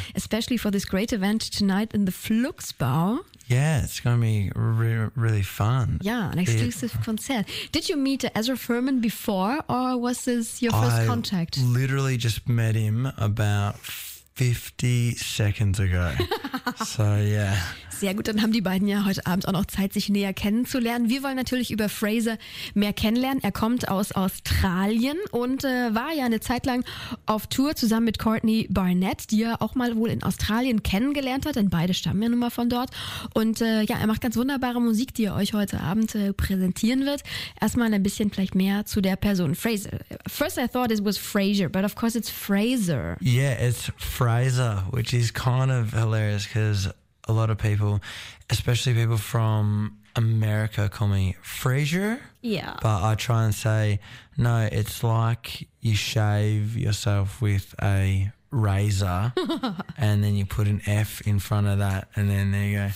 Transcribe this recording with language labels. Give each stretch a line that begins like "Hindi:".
English: Especially for this great event tonight in the Flux Bar. Yeah, it's going to be really fun. Yeah, an exclusive concert. Did you meet Ezra Furman before or was this your first contact? I literally just met him about 50 seconds ago. So, yeah.
German: Sehr gut, dann haben die beiden ja heute Abend auch noch Zeit, sich näher kennenzulernen. Wir wollen natürlich über Fraser mehr kennenlernen. Er kommt aus Australien und war ja eine Zeit lang auf Tour zusammen mit Courtney Barnett, die er auch mal wohl in Australien kennengelernt hat, denn beide stammen ja nun mal von dort. Und ja, er macht ganz wunderbare Musik, die er euch heute Abend präsentieren wird. Erstmal ein bisschen vielleicht mehr zu der Person. Fraser.
English: First I thought it was Fraser, but of course it's Fraser. Yeah, it's Fraser, which is kind of hilarious because a lot of people, especially people from America, call me Fraser. Yeah. But I try and say, no, it's like you shave yourself with a razor and then you put an F in front of that and then there you go.